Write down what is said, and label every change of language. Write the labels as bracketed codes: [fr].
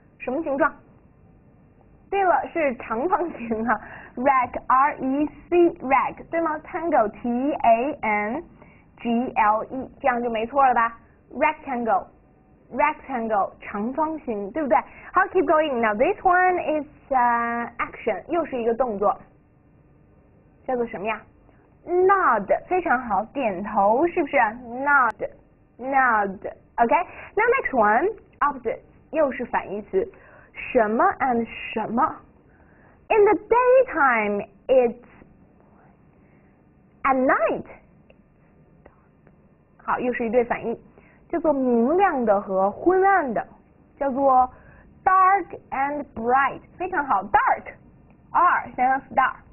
[zh] 什么形状？对了，是长方形啊，rec，rec，对吗？tangle，tangle，这样就没错了吧？rectangle，rectangle，长方形，对不对？ [en] 好，keep going。 Now this one is an action， [zh] 又是一个动作。叫做什么呀？Nod，非常好，点头是不是？Nod，OK。那 next one，opposite，又是反义词，什么 and 什么？ [en] In the daytime it's，at night， [zh] 好，又是一对反义，叫做明亮的和昏暗的，叫做 [en] dark and bright， [zh] 非常好，dark，R 想想 star。